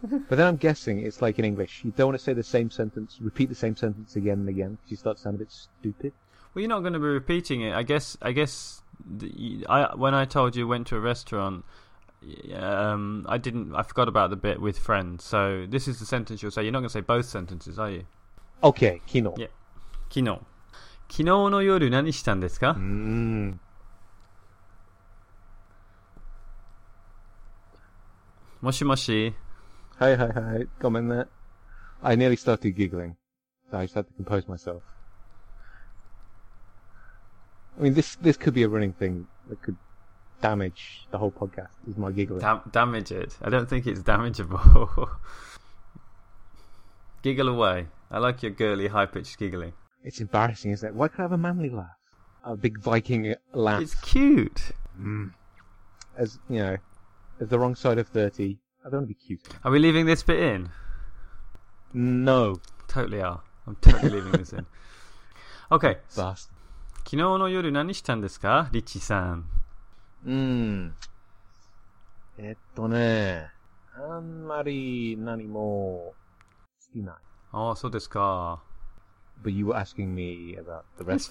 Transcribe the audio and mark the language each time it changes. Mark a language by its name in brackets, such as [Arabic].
[English] But then I'm guessing it's like in English. You don't want to say the same sentence, repeat the same sentence again and again, because you start to sound a bit stupid. Well, you're not going to be repeating it. I guess. When I told you went to a restaurant, I forgot about the bit with friends. So this is the sentence you'll say. You're not going to say both sentences, are you? [Japanese] Okay, 昨日. Yeah, 昨日. 昨日の夜何したんですか? もしもし? [English] Hi. [Japanese] ごめんね. [English] I nearly started giggling. So I just had to compose myself. I mean, this could be a running thing that could damage the whole podcast, is my giggling. Damage it? I don't think it's damageable. Giggle away. I like your girly, high-pitched giggling. It's embarrassing, isn't it? Why can't I have a manly laugh? A big Viking laugh. It's cute. As, you know, as the wrong side of 30, I don't want to be cute. Are we leaving this bit in? No. Totally are. I'm totally leaving this in. Okay. Bastard. [Japanese] 昨日の夜何したんですか、リッチさん。あんまり何もしてない。ああ、そうですか。 [English] But you were asking me about the rest.